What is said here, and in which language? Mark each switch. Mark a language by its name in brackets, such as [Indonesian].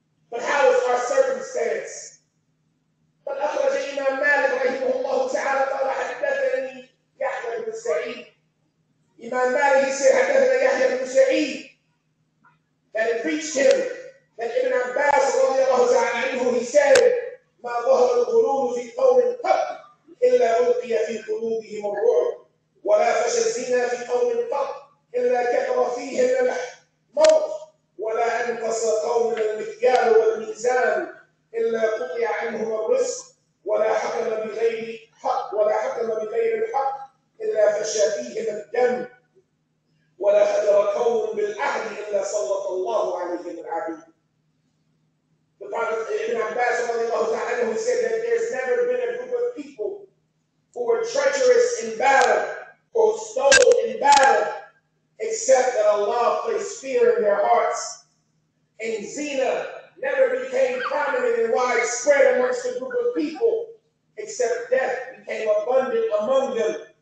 [English] But how is our circumstance? [Arabic] But أخرج الإمام مالك رحمه الله تعالى قال حدثني يحيى بن سعيد. إمام مالك said حدثنا يحيى بن سعيد [English] that it reached him that [Arabic] Ibn Abbas رضي الله تعالى عنه [English] he said [Arabic] ما ظهر الغرور في قوم قط إلا ألقي في قلوبهم الرعب ولا فشى الزنا في قوم قط إلا كثر فيهم الموت ولا أنقص قوم المكيال والميزان إلا قطع عنهم الرزق ولا حكم بغير حق ولا حكم بغير الحق إلا فشى فيهم الدم ولا خدر قوم بالعهد إلا سلط الله عليهم العبيد. [English] The Prophet Ibn Abbas رضي الله تعالى عنه said that there's never been a group of people who were treacherous in battle or stole in battle except that Allah placed fear in their hearts. And zina never became prominent and widespread amongst a group of people, except death became abundant among them.